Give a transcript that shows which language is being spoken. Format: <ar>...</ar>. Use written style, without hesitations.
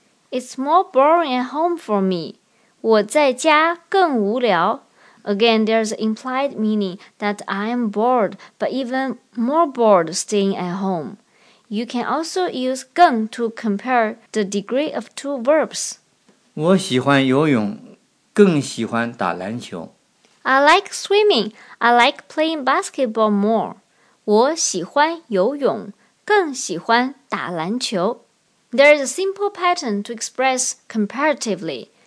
<en>It's more boring at home for me.</en> <zh>我在家更无聊。</zh> <en>Again, there is an implied meaning that I am bored, but even more bored staying at home. You can also use 更 to compare the degree of two verbs.</en> <zh>我喜欢游泳，更喜欢打篮球。</zh> <en>I like swimming. I like playing basketball more.</en> <zh>我喜欢游泳，更喜欢打篮球。</zh> <en>There is a simple pattern to express comparatively.</en>